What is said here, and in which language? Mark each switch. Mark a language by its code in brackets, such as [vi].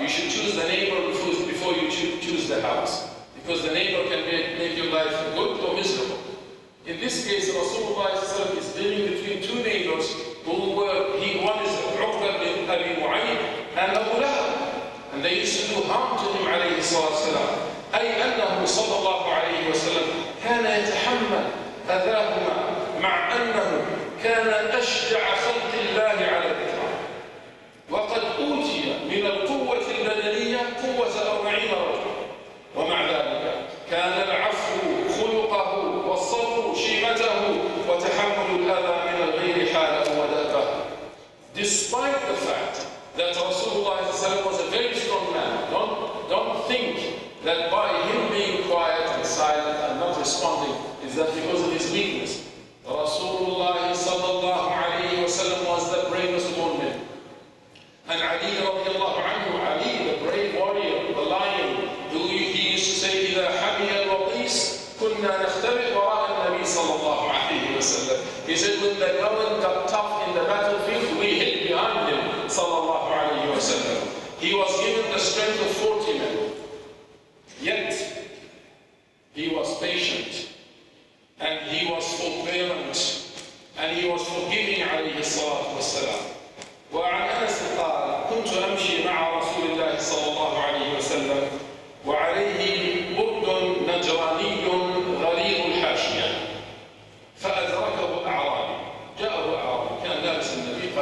[en] You should choose the neighbor before you choose the house. Because the neighbor can make your life good or miserable. In this case, Rasulullah is living between two neighbors who were, one is Uqba bin Abi Mu'ayyid and Abu Lahab. And they used to do harm to him, alayhi salam. [ar] أي أنه صلى الله عليه وسلم كان يتحمل أذاهما مع أنه كان أشجع خلق الله على الإطلاق. وقد أوتي من القوة البدنية قوة 40 رجلا. ومع ذلك كان العفو خلقه والصبر شيمته وتحمل الأذى من الغير حاله ودابه. [en] Despite the fact that Rasulullah was a very strong man, don't think that by him being quiet and silent and not responding is that because of his weakness. Rasulullah sallallahu alayhi wa sallam was the bravest of all men. And Ali radiallahu anhu, Ali, the brave warrior, the lion, he used to say, [ar] إِذَا حَمِيَ الْوَقِيسِ كُنَّا نَخْتَرِقْ وَرَاءَ النَّبِي [en] sallallahu alayhi wa sallam. He said, when the going got tough in the battlefield, we hid behind him sallallahu alayhi wa sallam. He was given the strength of 40 men. Yet, he was patient, and he was forbearing, and he was forgiving, alayhi salatu wasalam. [ar] وعن أنس قال: كنت أمشي مع رسول الله صلى الله عليه وسلم، وعليه برد نجراني غليظ الحاشية، فأدركه أعرابي، جاءه أعرابي، كان لابس النبي.